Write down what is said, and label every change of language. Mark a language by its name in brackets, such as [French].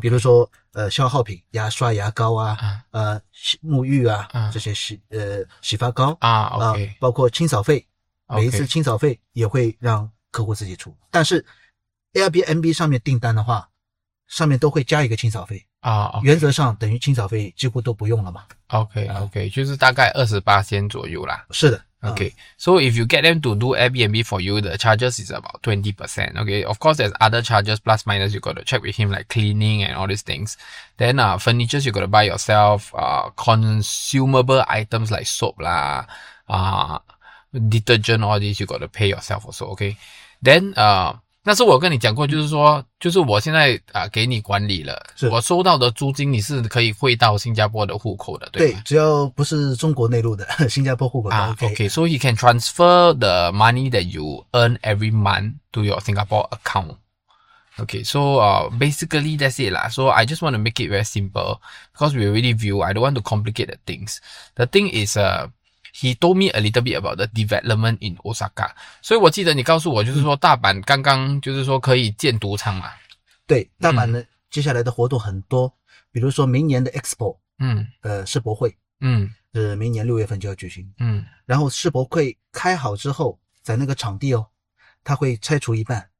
[Chinese] 比如说，消耗品，牙刷、牙膏啊，沐浴啊，这些洗发膏啊 ，OK、包括清扫费， okay. 每一次清扫费也会让客户自己出。但是 ，Airbnb 上面订单的话，上面都会加一个清扫费。啊、oh, okay. 原则上等于清扫费几乎都不用了嘛。 OK,OK, okay, okay, 就是大概 20% 左右啦。是的。 [English] OK,、so if you get them to do Airbnb for you, the charges is about 20%. OK, of course there's other charges plus minus you got to check with him like cleaning and all these things. Then, furnitures you got to buy yourself, consumable items like soap la, detergent, all these you got to pay yourself also, OK? [Chinese] Then, 那是我跟你讲过，就是说，就是我现在啊、给你管理了，是我收到的租金，你是可以汇到新加坡的户口的，对吧？对，只要不是中国内陆的，新加坡户口都 OK。 [English] OK, so he can transfer the money that you earn every month to your Singapore account. OK, so basically that's it lah. So I just want to make it very simple because we already view. I don't want to complicate the things. The thing is, He told me a little bit about the development in Osaka. [Chinese] 所以我记得你告诉我就是说大阪刚刚就是说可以建赌场嘛。对，大阪呢、接下来的活动很多，比如说明年的 Expo, 嗯，世博会，嗯，是明年6月就要举行，嗯，然后世博会开好之后在那个场地哦，他会拆除一半，